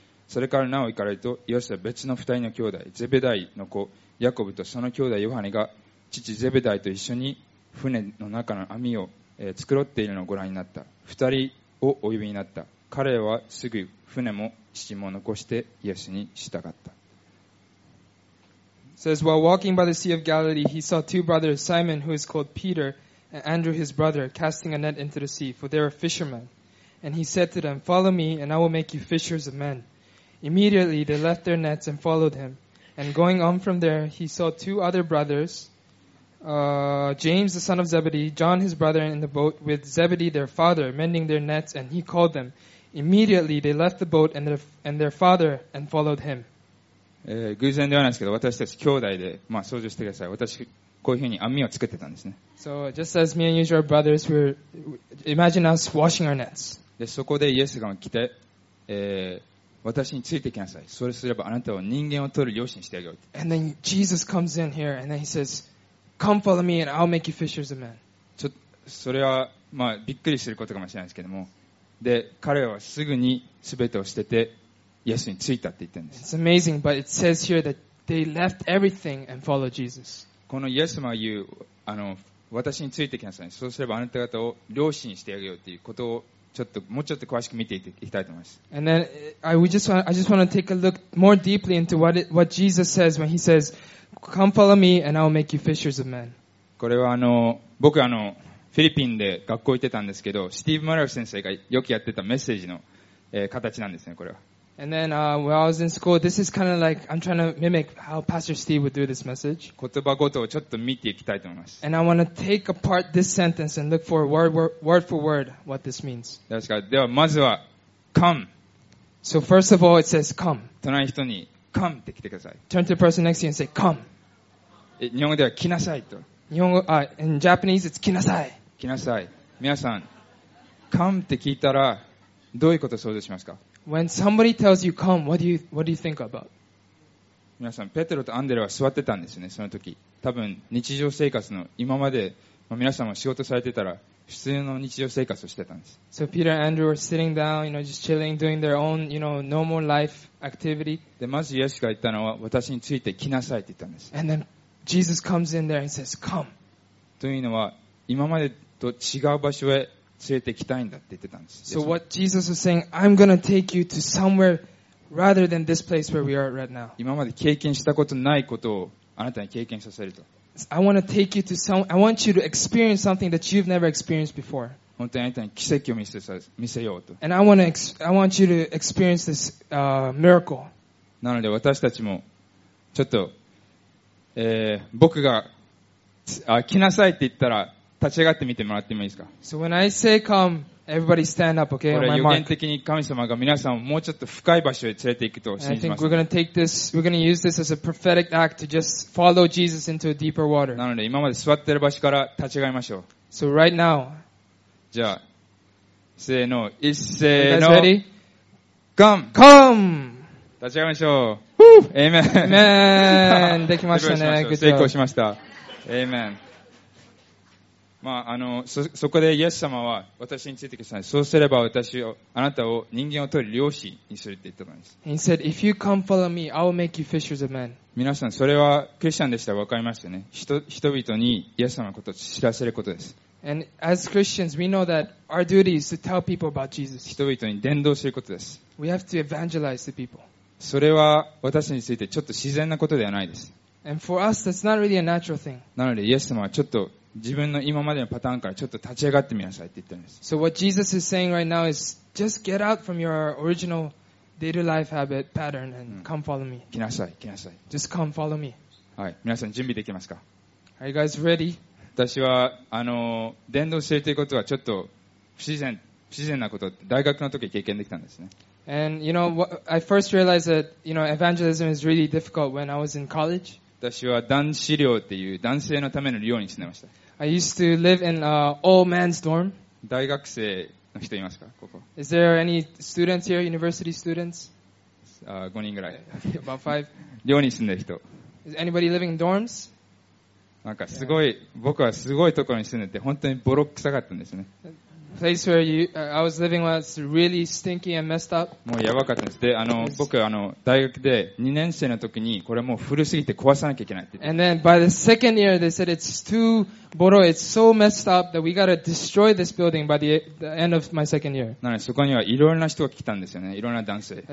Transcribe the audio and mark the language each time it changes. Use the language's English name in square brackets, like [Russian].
[Japanese] それからなお行かれると、イエスは別の二人の兄弟、ゼベダイの子、ヤコブとその兄弟ヨハネが、父ゼベダイと一緒に船の中の網を繕っているのをご覧になった。二人をお呼びになった。彼はすぐ船も父も残してイエスに従った。 [English] It says, while walking by the Sea of Galilee, he saw two brothers, Simon, who is called Peter, and Andrew his brother, casting a net into the sea, for they were fishermen. And he said to them, Follow me, and I will make you fishers of men. Immediately they left their nets and followed him. And going on from there, he saw two other brothers, James the son of Zebedee, John his brother in the boat with Zebedee their father, mending their nets, and he called them. Immediately they left the boat and their father and followed him. [Japanese] 偶然ではないですけど、私たち兄弟で、まあ想像してください。私こういうふうに網を作ってたんですね。 [English] So just as me and you are brothers, we imagine us washing our nets. [Japanese] でそこでイエスが来て、私についてきなさい。それすればあなたは人間を取る漁師にしてあげようと。 [English] And then Jesus comes in here and then he says, Come follow me and I'll make you fishers of men. [Japanese] それは、まあ、びっくりすることかもしれないですけども。で、彼はすぐに全てを捨ててイエスについたって言ってるんです。 [English] It's amazing, but it says here that they left everything and followed Jesus. [Japanese] このイエス様が言う、私についてきなさい。そうすればあなた方を漁師にしてあげようということをもうちょっと詳しく見ていきたいと思います。 [English] And then I just want to take a look more deeply into what Jesus says when he says, Come follow me and I'll make you fishers of men. [Japanese] これは僕フィリピンで学校行ってたんですけど、スティーブ・マラル先生がよくやってたメッセージの、形なんですね、これは。 [English] And then, while I was in school, this is kind of like, I'm trying to mimic how Pastor Steve would do this message. [Japanese] 言葉ごとをちょっと見ていきたいと思います。 [English] And I want to take apart this sentence and look for word for word what this means. [Japanese] ですから、ではまずは、come. [English] So first of all, it says, come. [Japanese] 隣の人に、come って来てください。 [English] Turn to the person next to you and say, come. [Japanese] 日本語では、来なさいと。日本語、 [English] in Japanese, it's [Japanese] 来なさい。来なさい。皆さん、come って聞いたら、どういうことを想像しますか？ [English] When somebody tells you come, what do you think about? [Japanese] 皆さん、ペテロとアンデレは座ってたんですよね、その時。多分、日常生活の、今まで、皆さんも仕事されてたら、普通の日常生活をしてたんです。 [English] So Peter and Andrew were sitting down, you know, just chilling, doing their own, you know, normal life activity. [Japanese] で、まずイエスが言ったのは、私について来なさいって言ったんです。 [English] And then Jesus comes in there and says, come. [Japanese] というのは、今までと違う場所へ連れて行きたいんだって言ってたんです。 [English] So what Jesus was saying, I'm gonna take you to somewhere rather than this place where we are right now. [Japanese] 今まで経験したことないことをあなたに経験させると。 [English] I want to take you to some. I want you to experience something that you've never experienced before. [Japanese] 本当にあなたに奇跡を見せようと。 [English] And I want you to experience this miracle. [Japanese] なので私たちもちょっと、僕が来なさいって言ったら立ち上がってみてもらってもいいですか。 [English] So when I say come, everybody stand up, okay? [Japanese] これ予言的に神様が皆さんをもうちょっと深い場所へ連れて行くと信じます。 [English] And I think we're gonna take this. We're gonna use this as a prophetic act to just follow Jesus into a deeper water. [Japanese] なので今まで座ってる場所から立ち上がりましょう。 [English] So right now. [Japanese] じゃあ、せーの、一せーの。 [English] You guys ready? Come. [Japanese] 立ち上がりましょう。 [English] Amen. Amen. [Japanese] できましたね。 [English] Good job. [Japanese] 成功しました。Amen. まあ、そこでイエス様は私についてください。そうすれば私を、あなたを人間を取り漁師にするって言ったんです。 [English] He said, if you come follow me, I will make you fishers of men. [Japanese] 皆さん、それはクリスチャンでしたら分かりますよね。人々にイエス様のことを知らせることです。 [English] And as Christians, we know that our duty is to tell people about Jesus. [Japanese] 人々に伝道することです。 [English] We have to evangelize the people. [Japanese] それは私についてちょっと自然なことではないです。 [English] And for us, that's not really a natural thing. [Japanese] なので、イエス様はちょっと自分の今までのパターンからちょっと立ち上がってみなさいって言ったんです。 [English] So what Jesus is saying right now is just get out from your original daily life habit pattern and come follow me. [Japanese] 来なさい、来なさい。 [English] Just come follow me. [Japanese] はい、皆さん準備できますか？ [English] Are you guys ready? [Japanese] 私は、伝道するということはちょっと不自然なこと、大学の時経験できたんですね。 [English] And you know, I first realized that, you know, evangelism is really difficult when I was in college. [Japanese] 私は男子寮っていう男性のための寮に住んでました。 [English] I used to live in an all man's dorm. [Japanese] 大学生の人いますか？ここ。 [English] Is there any students here? University students? [Japanese] 5人ぐらい。 [English] About five. [Japanese] 寮に住んでる人。 [English] Is anybody living in dorms? [Japanese] なんかすごい、僕はすごいところに住んでて本当にボロ臭かったんですね。 [English] Place where you, I was living was really stinky and messed up. [Japanese] もうやばかったんです。で、僕は大学で2年生の時にこれもう古すぎて壊さなきゃいけないって。 [English] And then by the second year they said it's too boro, it's so messed up that we gotta destroy this building by the end of my second year. [Japanese] なのでそこにはいろんな人が来たんですよね。いろんな男性。